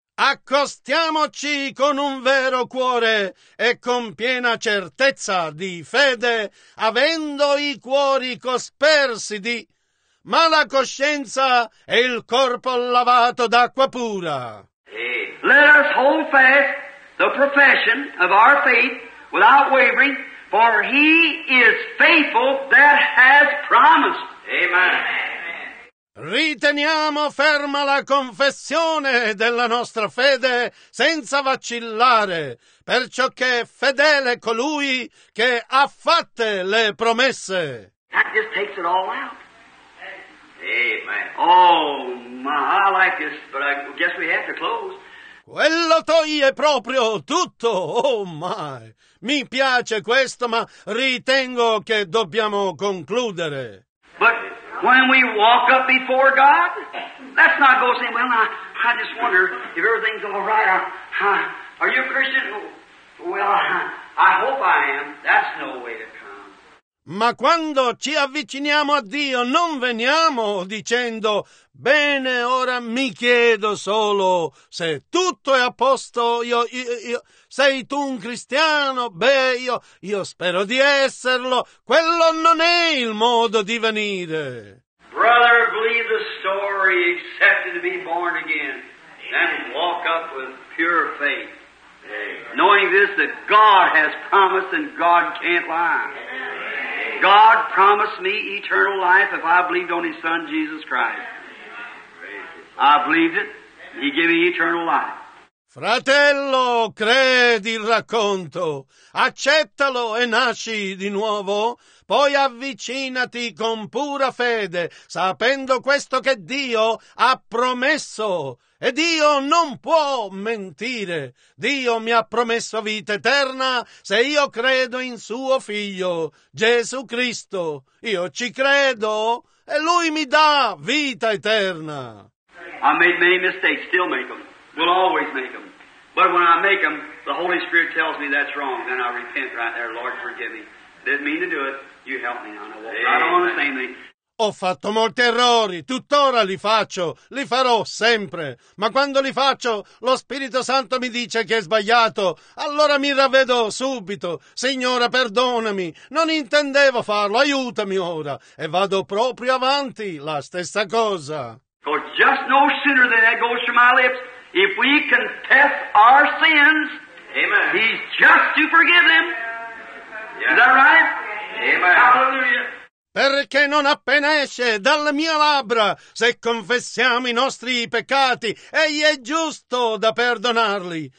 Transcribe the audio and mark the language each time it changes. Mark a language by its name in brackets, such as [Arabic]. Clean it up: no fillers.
[Italian] Accostiamoci con un vero cuore e con piena certezza di fede, avendo i cuori cospersi di mala coscienza e il corpo lavato d'acqua pura. [English] Let us hold fast the profession of our faith without wavering, for he is faithful that has promised. Amen. [Italian] Riteniamo ferma la confessione della nostra fede senza vacillare, perciò che è fedele colui che ha fatte le promesse. [English] That just takes it all out. Amen. Oh, my, I like this, but I guess we have to close. [Italian] Quello toglie proprio tutto, [English] oh my. [Italian] Mi piace questo, ma ritengo che dobbiamo concludere. [English] But when we walk up before God, let's not go saying, well, I just wonder if everything's all right. Are you a Christian? Well, I hope I am. That's no way to come. [Italian] Ma quando ci avviciniamo a Dio, non veniamo dicendo, bene, ora mi chiedo solo se tutto è a posto, io sei tu un cristiano? Beh, io spero di esserlo. Quello non è il modo di venire. [English] Brother, believe the story, accepted to be born again, and walk up with pure faith. Amen. Knowing this, that God has promised and God can't lie. Amen. God promised me eternal life if I believed on His Son, Jesus Christ. I believed it. He gave me eternal life. [Italian] Fratello, credi il racconto, accettalo e nasci di nuovo, poi avvicinati con pura fede, sapendo questo che Dio ha promesso, e Dio non può mentire. Dio mi ha promesso vita eterna se io credo in suo Figlio, Gesù Cristo. Io ci credo e Lui mi dà vita eterna. [English] I made many mistakes, still make them, will always make them. But when I make them, the Holy Spirit tells me that's wrong, then I repent right there. Lord, forgive me. Didn't mean to do it. You help me. I don't want to say anything. [Italian] Ho fatto molti errori, tuttora li faccio, li farò sempre. Ma quando li faccio, lo Spirito Santo mi dice che è sbagliato. Allora mi ravvedo subito. Signore, perdonami, non intendevo farlo, aiutami ora. E vado proprio avanti, la stessa cosa. [English] For just no sooner than that goes from my lips, if we confess our sins, amen, He's just to forgive them. Yeah. Is that right? Amen. Hallelujah. [Italian] Perché non appena esce dalle mie labbra, se confessiamo i nostri peccati, Egli è giusto da perdonarli.